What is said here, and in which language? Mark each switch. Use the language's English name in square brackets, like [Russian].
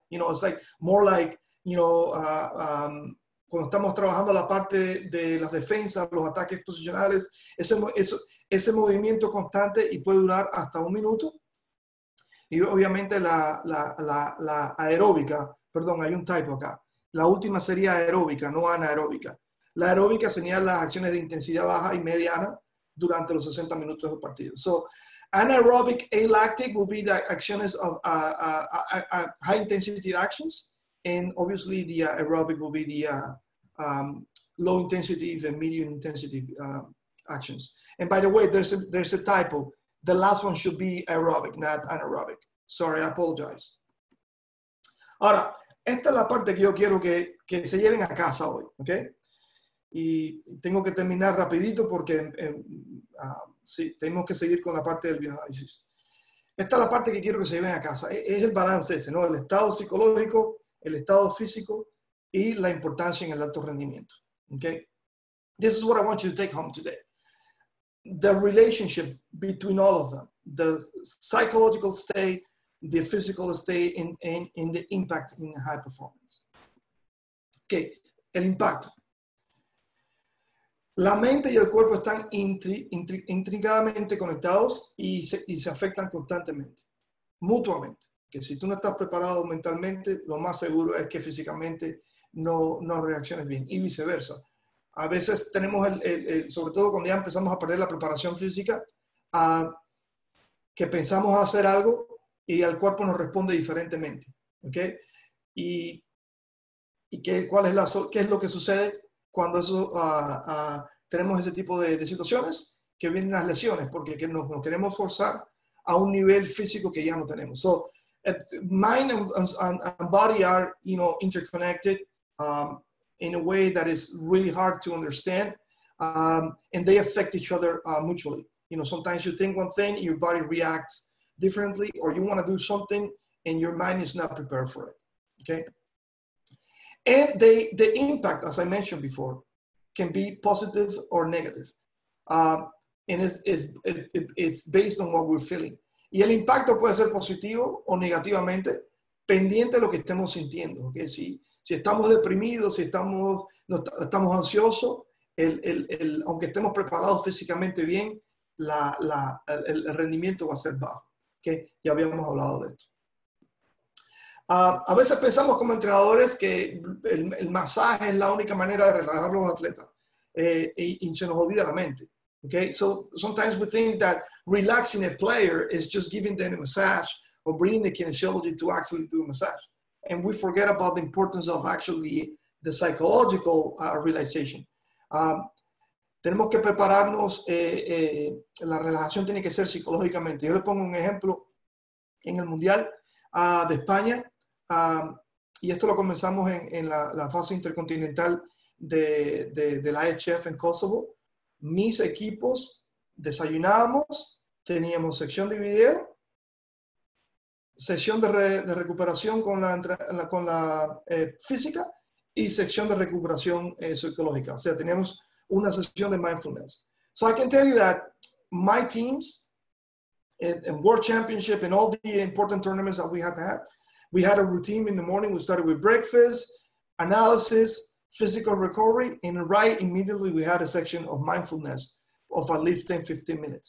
[English] It's like more like, [Spanish] cuando estamos trabajando la parte de las defensas, los ataques posicionales, ese movimiento constante y puede durar hasta un minuto. Y obviamente la aeróbica, perdón, hay un typo acá. La última sería aeróbica, no anaeróbica. La aeróbica sería las acciones de intensidad baja y mediana durante los 60 minutos del partido. [English] So, anaerobic alactic will be the actions of high intensity actions, and obviously the aerobic will be the low intensity and medium intensity actions. And by the way, there's a typo. The last one should be aerobic, not anaerobic. Sorry, I apologize. [Spanish] Ahora, esta es la parte que yo quiero que se lleven a casa hoy, ¿ok? Y tengo que terminar rapidito porque sí, tenemos que seguir con la parte del bioanálisis. Esta es la parte que quiero que se lleven a casa. Es el balance ese, ¿no? El estado psicológico, el estado físico y la importancia en el alto rendimiento. ¿Ok? [English] This is what I want you to take home today. The relationship between all of them. The psychological state, the physical state, and the impact in high performance. [Spanish] Ok, el impacto. La mente y el cuerpo están intrincadamente conectados y se afectan constantemente, mutuamente. Que si tú no estás preparado mentalmente, lo más seguro es que físicamente no reacciones bien, y viceversa. A veces tenemos, sobre todo cuando ya empezamos a perder la preparación física, que pensamos hacer algo y el cuerpo nos responde diferentemente. ¿Okay? ¿Qué es lo que sucede cuando eso, tenemos ese tipo de situaciones? Que vienen las lesiones, porque nos queremos forzar a un nivel físico que ya no tenemos. [English] So, mind and body are, interconnected in a way that is really hard to understand, and they affect each other mutually. Sometimes you think one thing, your body reacts differently, or you want to do something, and your mind is not prepared for it, okay? And the impact, as I mentioned before, can be positive or negative. And it's based on what we're feeling. [Spanish] Y el impacto puede ser positivo o negativamente, pendiente de lo que estemos sintiendo, okay? Si estamos deprimidos, si estamos ansiosos, aunque estemos preparados físicamente bien, el rendimiento va a ser bajo, okay? Ya habíamos hablado de esto. A veces pensamos como entrenadores que el masaje es la única manera de relajar a los atletas, y se nos olvida la mente. [English] Okay, so sometimes we think that relaxing a player is just giving them a massage or bringing the kinesiology to actually do a massage, and we forget about the importance of actually the psychological relaxation. [Spanish] Tenemos que prepararnos. La relajación tiene que ser psicológicamente. Yo le pongo un ejemplo en el mundial de España. Y esto lo comenzamos en la fase intercontinental de la IHF en Kosovo. Mis equipos desayunábamos, teníamos sección de video, sesión de recuperación con la física y sección de recuperación psicológica. O sea, teníamos una sesión de mindfulness. [English] So I can tell you that my teams in World Championship and all the important tournaments that we have had, we had a routine in the morning. We started with breakfast, analysis, physical recovery, and right immediately we had a section of mindfulness of at least 10, 15 minutes.